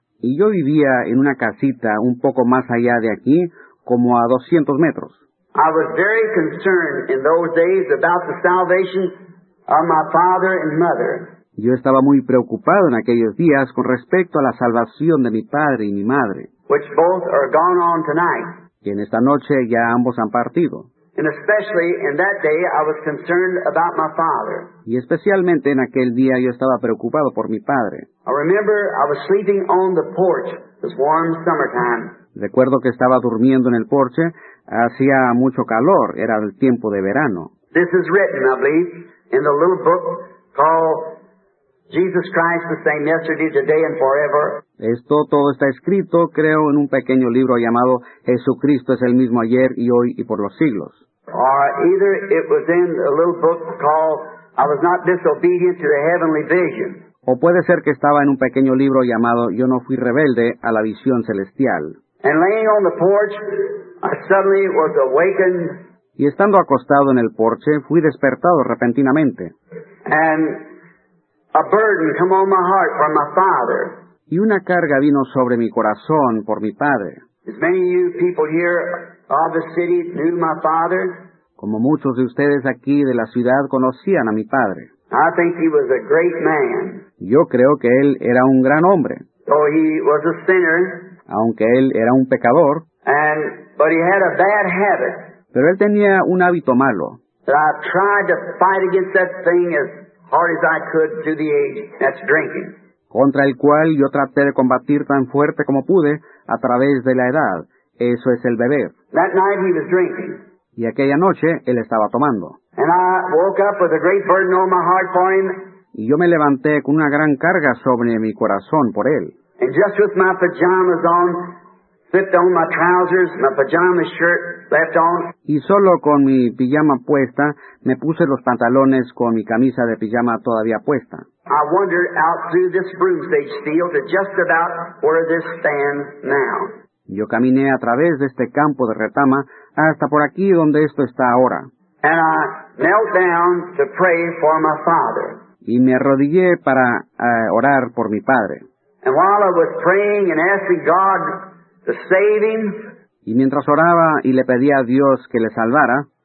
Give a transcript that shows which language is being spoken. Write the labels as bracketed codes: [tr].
[es] Y yo vivía en una casita un poco más allá de aquí, como a 200 metros. [en] I was very concerned in those days about the salvation of my father and mother. [es] Yo estaba muy preocupado en aquellos días con respecto a la salvación de mi padre y mi madre. [en] Which both are gone on tonight. [es] Y en esta noche ya ambos han partido. [en] And especially in that day, I was concerned about my father. [es] Y especialmente en aquel día yo estaba preocupado por mi padre. [en] I remember I was sleeping on the porch. It was warm summertime. [es] Recuerdo que estaba durmiendo en el porche. Hacía mucho calor. Era el tiempo de verano. [en] This is written, I believe, in the little book called Jesus Christ the Same Yesterday, Today, and Forever. [es] Esto todo está escrito, creo, en un pequeño libro llamado Jesucristo es el mismo ayer y hoy y por los siglos. [en] Or either it was in a little book called I Was Not Disobedient to the Heavenly Vision. [es] O puede ser que estaba en un pequeño libro llamado Yo No Fui Rebelde a la Visión Celestial. [en] And laying on the porch, I suddenly was awakened. [es] Y estando acostado en el porche, fui despertado repentinamente. [en] And a burden come on my heart for my father. [es] Y una carga vino sobre mi corazón por mi padre. [en] As many of you people here of the city knew my father. [es] Como muchos de ustedes aquí de la ciudad conocían a mi padre. [en] I think he was a great man. [es] Yo creo que él era un gran hombre. [en] Though he was a sinner. [es] Aunque él era un pecador. [en] But he had a bad habit. [es] Pero él tenía un hábito malo. [en] That I tried to fight against that thing as hard as I could through the age. That's drinking. [es] Contra el cual yo traté de combatir tan fuerte como pude a través de la edad. Eso es el beber. [en] That night he was drinking. [es] Y aquella noche él estaba tomando. [en] And I woke up with a great burden on my heart for him. [es] Y yo me levanté con una gran carga sobre mi corazón por él. [en] And just with my pajamas on, slipped on my trousers, my pajama shirt left on. [es] Y solo con mi pijama puesta, me puse los pantalones con mi camisa de pijama todavía puesta. [en] I wandered out through this room stage steel to just about where this stands now. [es] Yo caminé a través de este campo de retama hasta por aquí donde esto está ahora. [en] And I knelt down to pray for my father. [es] Y me arrodillé para orar por mi padre. [en] And while I was praying and asking God to save him, [es] y mientras oraba y le pedía a Dios que le salvara,